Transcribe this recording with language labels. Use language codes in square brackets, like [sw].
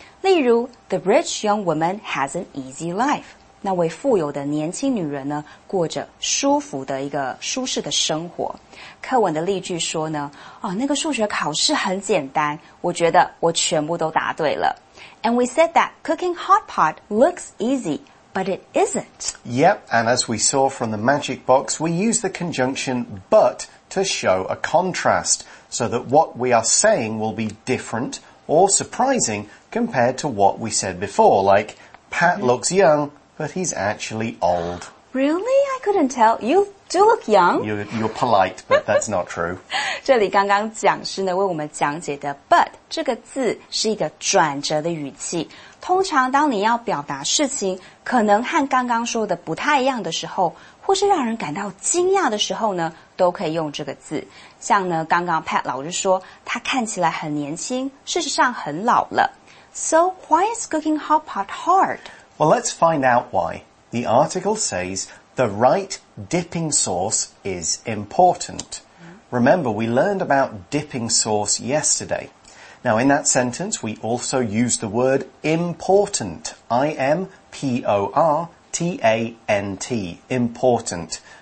[zh] 例如 [en] The rich young woman has an easy life， [zh] 那位富有的年轻女人呢，过着舒服的一个舒适的生活。课文的例句说呢，哦，那个数学考试很简单，我觉得我全部都答对了。 [en] And we said that cooking hot pot looks easy, but it isn't. Yep, and as we saw from the magic box, we use the conjunction but to show a contrast, so that what we are saying will be differentor surprising compared to what we said before, like, Pat looks young, but he's actually old. Really? I couldn't tell. You do look young. You're polite, but that's not true. [zh] 这里刚刚讲师呢为我们讲解的 but 这个字是一个转折的语气。通常当你要表达事情可能和刚刚说的不太一样的时候，或是让人感到惊讶的时候呢，都可以用这个字。像呢，刚刚 Pat 老师说，他看起来很年轻，事实上很老了。 [en] So, why is cooking hot pot hard? Well, let's find out why. The article says the right dipping sauce is important. Remember, we learned about dipping sauce yesterday. Now, in that sentence, we also use the word important. I-M-P-O-R-T-A-N-T. Important.